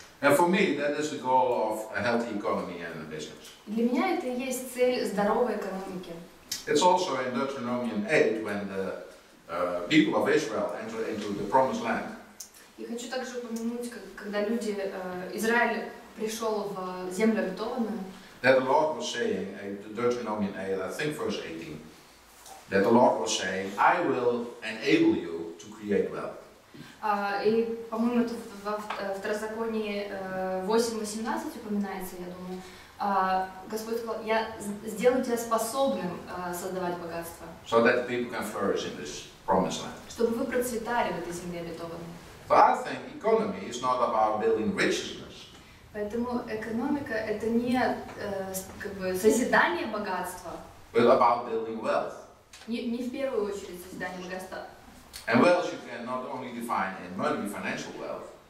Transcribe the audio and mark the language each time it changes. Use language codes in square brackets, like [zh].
[en] And for me, that is the goal of a healthy economy and a business. [ru] Для меня это и есть цель здоровой экономики. [en] It's also in Deuteronomy 8 when the people of Israel enter into the promised land. [ru] Я хочу также упомянуть, когда люди Израиль пришел в землю обетованную. [en] That the Lord was saying in Deuteronomy 8, I think verse 18. That the Lord was saying, I will enable you to create wealth. [ru] И, по-моему, это во второзаконии 8.18 упоминается, я думаю. Господь сказал, я сделаю тебя способным создавать богатство. [en] So that people can flourish in this promised land. [ru] Чтобы вы процветали в этой земле обетованной. [en] But I think economy is not about building richness. [ru] Поэтому экономика — это не созидание богатства. [en] But about building wealth. [ru] Не в первую очередь создание богатства. [en] And wealth you can not only define in money, financial wealth.